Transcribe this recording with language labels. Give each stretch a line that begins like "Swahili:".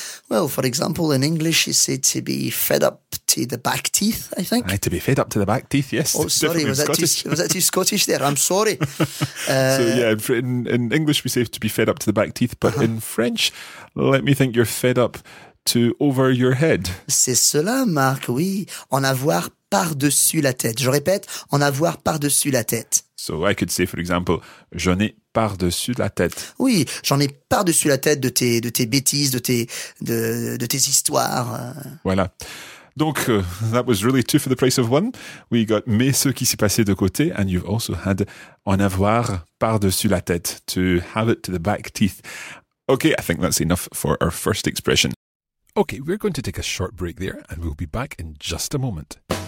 English: Well, for example, in English you say to be fed up to the back teeth, I think. Right, to be fed up to the back teeth, yes. Oh, sorry, was that too Scottish there? I'm sorry. In English we say to be fed up to the back teeth, but in French, let me think, you're fed up to over your head.
French: C'est cela, Marc, oui. En avoir par-dessus la tête. Je répète, en avoir par-dessus la tête.
English: So I could say, for example,
French: j'en ai par-dessus la tête. Oui, j'en ai par-dessus la tête de tes bêtises, de tes histoires. Voilà.
English: Donc, that was really two for the price of one. We got
French: mais ce qui s'est passé de côté,
English: and you've also had
French: en avoir par-dessus la tête.
English: To have it to the back teeth. Okay, I think that's enough for our first expression. Okay, we're going to take a short break there and we'll be back in just a moment.